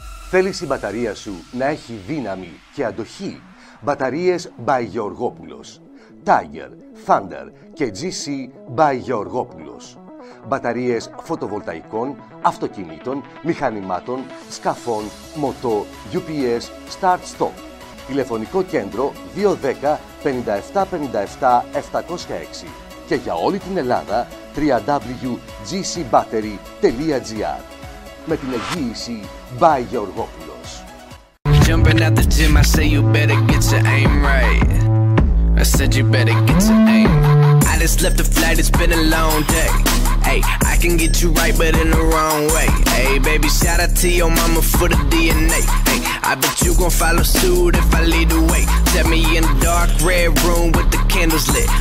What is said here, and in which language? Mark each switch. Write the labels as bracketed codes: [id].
[el] Θέλεις η μπαταρία σου να έχει δύναμη και αντοχή? Μπαταρίες by Γεωργόπουλος. Tiger, Thunder και GC by Γεωργόπουλος. Μπαταρίες φωτοβολταϊκών, αυτοκινήτων, μηχανημάτων, σκαφών, μοτό, UPS, Start-Stop. Τηλεφωνικό κέντρο 210-5757-706 και για όλη την Ελλάδα www.gcbattery.gr με την εγγύηση by Γεωργόπουλος. [en] Jumping at the gym, I say you better get your aim right. I said you better get your aim. I just left the flight, it's been a long day. Hey, I can get you right, but in the wrong way. Hey, baby, shout out to your mama for the DNA. Hey, I bet you gon' follow suit if I lead the way. Set me in the dark red room with the candles lit.